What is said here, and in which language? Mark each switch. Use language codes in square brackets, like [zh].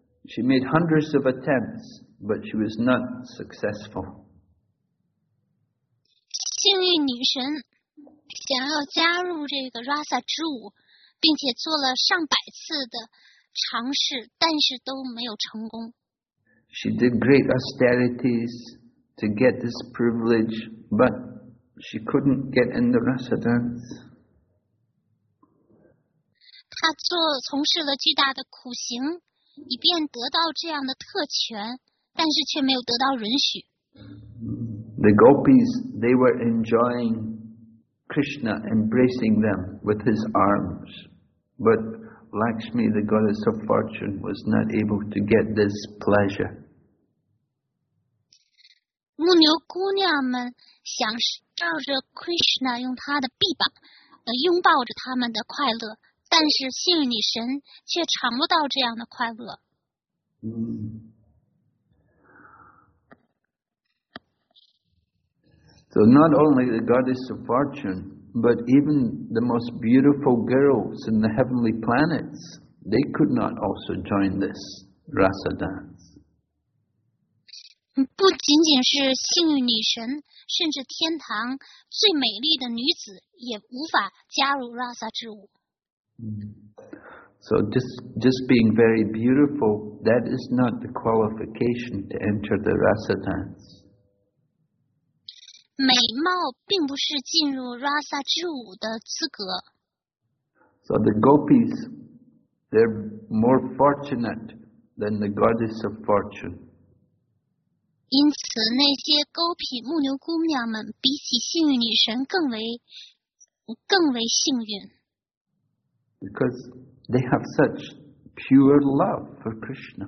[en] She made hundreds of attempts, but she was not successful. [zh] 幸运女神想要加入这个 Rasa 之舞，并且做了上百次的尝试，但是都没有成功。 [en] She did great austerities to get this privilege, but she couldn't get in the Rasa dance. [zh] 她从事了巨大的苦行，以便得到这样的特权，但是却没有得到允许。 [en] The gopis, they were enjoying Krishna embracing them with his arms. But Lakshmi, the goddess of fortune, was not able to get this pleasure. [zh] 牧牛姑娘们享受着 Krishna 用他的臂膀拥抱着他们的快乐，但是幸运女神却尝不到这样的快乐。 [en] So not only the goddess of fortune, but even the most beautiful girls in the heavenly planets, they could not also join this rasa dance. [zh] 不仅仅是幸运女神，甚至天堂最美丽的女子也无法加入 rasa 之舞。 [en] So just being very beautiful, that is not the qualification to enter the rasa dance. [zh] 美貌并不是进入 Rasa 之舞的资格。 [en] So the gopis, they're more fortunate than the goddess of fortune. [zh] 因此，那些 gopi 牧牛姑娘们比起幸运女神更为幸运。 [en] Because they have such pure love for Krishna.